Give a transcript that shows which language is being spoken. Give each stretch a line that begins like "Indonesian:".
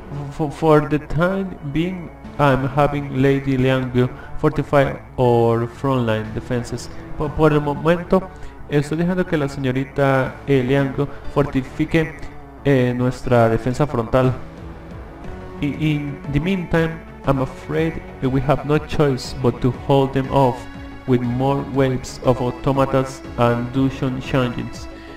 English: For the time being, I'm having Lady Liangyu fortify our frontline defenses.
Spanish: Por el momento, estoy dejando que la señorita Liangyu fortifique nuestra defensa frontal.
English: In the meantime, I'm afraid that we have no choice but to hold them off with more waves of automatas and dungeon changes.